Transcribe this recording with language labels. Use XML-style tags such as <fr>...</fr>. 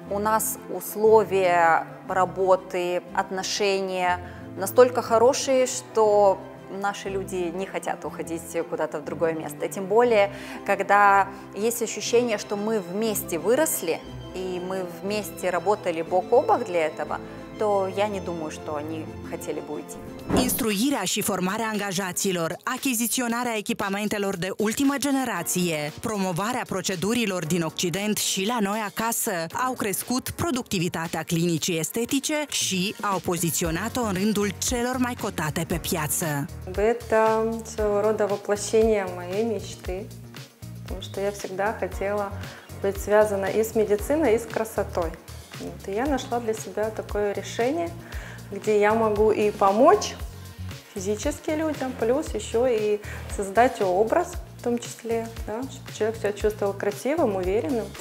<ru>У нас условия работы, отношения настолько хорошие, что наши люди не хотят уходить куда-то в другое место. Тем более, когда есть ощущение, что мы вместе выросли, и мы вместе работали бок о бок для этого, то я не думаю, что они хотели бы уйти.</ru> <ro>Instruirea și formarea angajaților, achiziționarea echipamentelor de ultimă generație, promovarea procedurilor din Occident și la noi acasă au crescut productivitatea clinicii estetice și au poziționat-o în rândul celor mai cotate pe piață.</ro> <ru>Это своего рода воплощение моей мечты, потому что я всегда хотела быть связана и с медициной, и с красотой. Вот, и я нашла для себя такое решение, где я могу и помочь физически людям, плюс еще и создать образ в том числе, да, чтобы человек себя чувствовал красивым, уверенным.</ru>